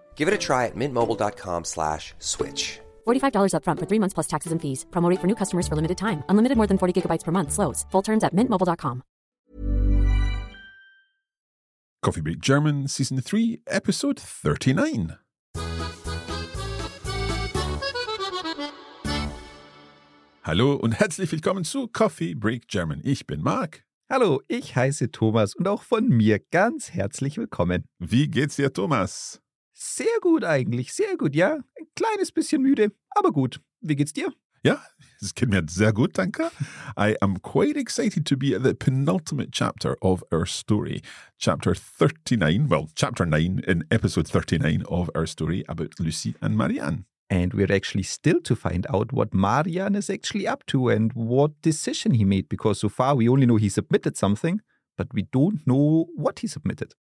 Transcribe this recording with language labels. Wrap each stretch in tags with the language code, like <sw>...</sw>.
<en>Give it a try at mintmobile.com/switch. $45 up front for 3 months plus taxes and fees. Promo rate for new customers for limited time. Unlimited more than 40 gigabytes per month slows. Full terms at mintmobile.com. Coffee Break German, Season 3, Episode 39.</en> <de>Hallo und herzlich willkommen zu Coffee Break German. Ich bin Marc. Hallo, ich heiße Thomas und auch von mir ganz herzlich willkommen. Wie geht's dir, Thomas? Sehr gut eigentlich, sehr gut, ja. Ein kleines bisschen müde, aber gut. Wie geht's dir? Ja, es geht mir sehr gut, danke.</de> <en>I am quite excited to be at the penultimate chapter of our story. Chapter 9 in episode 39 of our story about Lucy and Marianne. And we're actually still to find out what Marianne is actually up to and what decision he made, because so far we only know he submitted something, but we don't know what he submitted.</en>